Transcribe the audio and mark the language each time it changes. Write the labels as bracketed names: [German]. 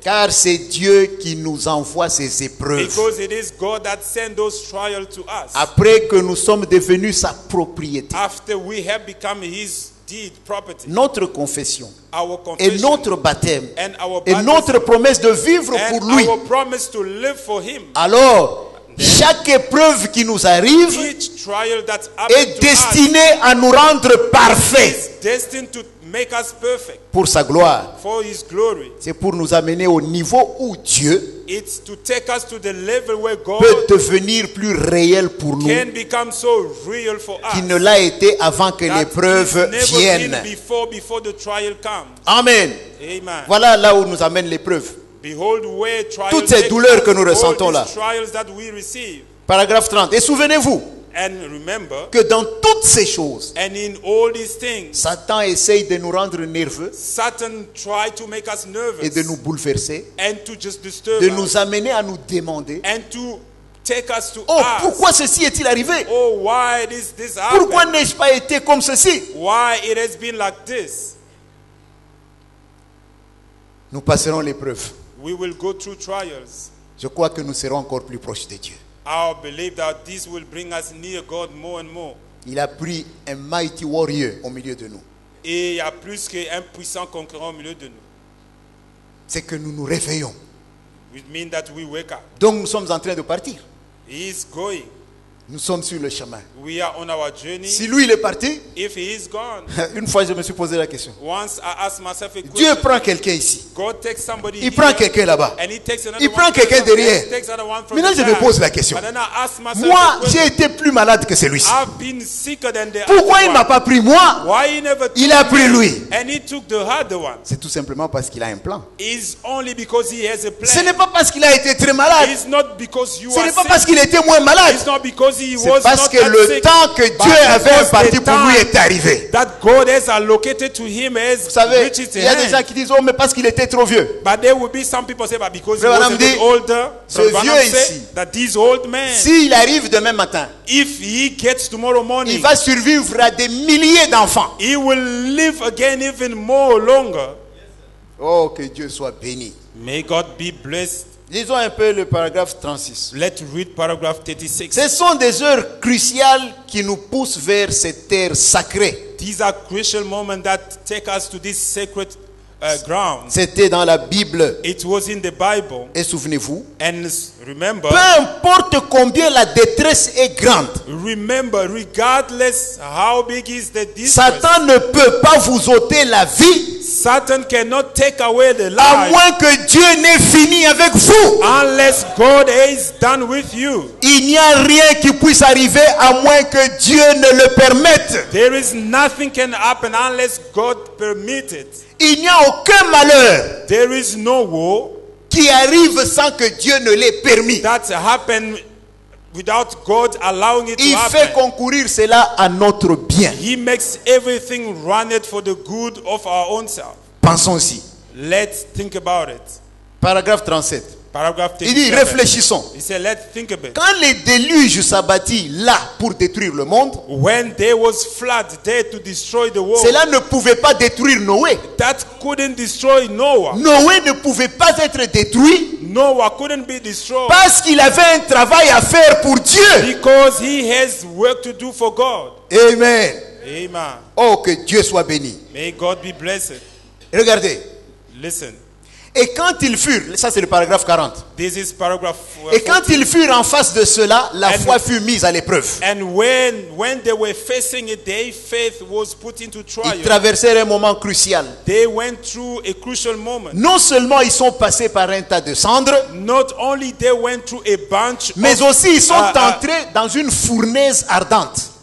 [French] Car c'est Dieu qui nous envoie ces épreuves. [English] Because it is God that sent those trials to us. [French] Après que nous sommes devenus sa propriété. [English] After we have become his property. [French] Notre confession, [English] our confession [French] et notre baptême [English] and our baptism, [French] et notre promesse de vivre [English] and [French] pour lui [English] our promise to live for him. [French] Alors chaque épreuve qui nous arrive [English] each trial that happened [French] est destinée [English] to us [French] à nous rendre parfaits [English] is destined to make us perfect [French] pour sa gloire [English] for his glory. [French] C'est pour nous amener au niveau où Dieu [English] it's to take us to the level where God [French] peut devenir plus réel pour nous [English] can become so real for us [French] qu'il ne l'a été avant que l'épreuve vienne. [English] Before the trial comes. [French] Amen. [English] Amen. [French] Voilà là où nous amène l'épreuve. [English] Behold where trials [French] toutes ces douleurs que nous ressentons là. [English] Trials that we receive. [French] Paragraphe 30. Et souvenez-vous [English] and remember, [French] que dans toutes ces choses [English] and in all these things, [French] Satan essaye de nous rendre nerveux [English] Satan try to make us nervous, [French] et de nous bouleverser [English] and to just disturb [French] de [English] us, [French] nous amener à nous demander [English] and to take us to [French] oh, [English] ask, [French] pourquoi ceci est-il arrivé [English] oh, why is this happened? [French] Pourquoi n'ai-je pas été comme ceci [English] why it has been like this? [French] Nous passerons l'épreuve. [English] We will go through trials. [French] Je crois que nous serons encore plus proches de Dieu. [English] I believe that this will bring us near God more and more. [French] Il a pris un [English] mighty warrior [French] au milieu de nous. Et il y a plus qu'un puissant conquérant au milieu de nous. C'est que nous nous réveillons. [English] which means that we wake up. [French] Donc nous sommes en train de partir. [English] He is going. [French] Nous sommes sur le chemin. [English] We are on our journey. [French] Si lui il est parti, [English] if he is gone. [French] Une fois je me suis posé la question. [English] Once I asked myself a question. [French] Dieu prend quelqu'un ici. [English] God takes somebody. [French] Il [English] here, [French] prend quelqu'un là-bas. [English] And he takes another [French] il [English] one [French] prend quelqu'un derrière. [English] Takes another one from [French] maintenant [English] the [French] je me pose la question. [English] But then I ask myself [French] moi, [English] a question. [French] J'ai été plus malade que celui-ci. [English] I've been sicker than the [French] pourquoi [English] other [French] il m'a pas pris moi? [English] Why he never took [French] il a pris lui. [English] And he took the harder one. [French] C'est tout simplement parce qu'il a un plan. [English] It's only because he has a plan. [French] Ce n'est pas parce qu'il a été très malade. [English] It's not because you [French] ce [English] are [French] n'est pas parce qu'il était moins malade. [English] It's not because [French] c'est parce que le temps que Dieu avait imparti pour lui est arrivé. [English] That God has allocated to him has [French] vous savez, [English] reached his [French] il y a des gens qui disent oh mais parce qu'il était trop vieux. [English] But there will be some people say but because he was a bit older. [French] Ce vieux ici, [English] that this old man, [French] s'il arrive demain matin, [English] if he gets tomorrow morning, [French] il va survivre à des milliers d'enfants. [English] He will live again even more longer. [French] Oh que Dieu soit béni. [English] May God be blessed. [French] Lisons un peu le paragraphe 36. [English] Let's read paragraph 36. [French] Ce sont des heures cruciales qui nous poussent vers cette terre sacrée. [English] These are crucial moments that take us to this sacred ground. [French] C'était dans la Bible. [English] It was in the Bible. [French] Et souvenez-vous. [English] And remember. [French] Peu importe combien la détresse est grande. [English] Remember, regardless how big is the distress. [French] Satan ne peut pas vous ôter la vie. [English] Satan cannot take away the life. [French] À moins que Dieu n'ait fini avec vous. [English] Unless God is done with you. [French] Il n'y a rien qui puisse arriver à moins que Dieu ne le permette. [English] There is nothing can happen unless God permit it. [French] Il n'y a aucun malheur. [English] There is no war [French] qui arrive sans que Dieu ne l'ait permis. [English] That happen without God allowing it to happen. [French] Il fait concourir cela à notre bien. [English] He makes everything run it for the good of our own self. [French] Pensons-y. [English] Let's think about it. [French] Paragraphe 37. [English] Paragraph 37. [French] Il dit réfléchissons. [English] He said, let's think about it. [French] Quand les déluges s'abattirent là pour détruire le monde, [English] when there was flood there to destroy the world, [French] cela ne pouvait pas détruire Noé. [English] That couldn't destroy Noah. [French] Noé ne pouvait pas être détruit. [English] Noah couldn't be destroyed. [French] Parce qu'il avait un travail à faire pour Dieu. [English] Because he has work to do for God. [French] Amen. [English] Amen. [French] Oh que Dieu soit béni. [English] May God be blessed. [French] Regardez. [English] Listen. [French] Et quand ils furent, ça c'est le paragraphe 40. [English] This is paragraph 40. [French] Et quand ils furent en face de cela, la foi fut mise à l'épreuve. [English] And when they were facing it, their faith was put into trial. [French] Ils traversèrent un moment crucial. [English] They went through a crucial moment. [French] Non seulement ils sont passés par un tas de cendres, [English] not only they went through a bunch, [French] mais aussi ils sont entrés dans une fournaise ardente.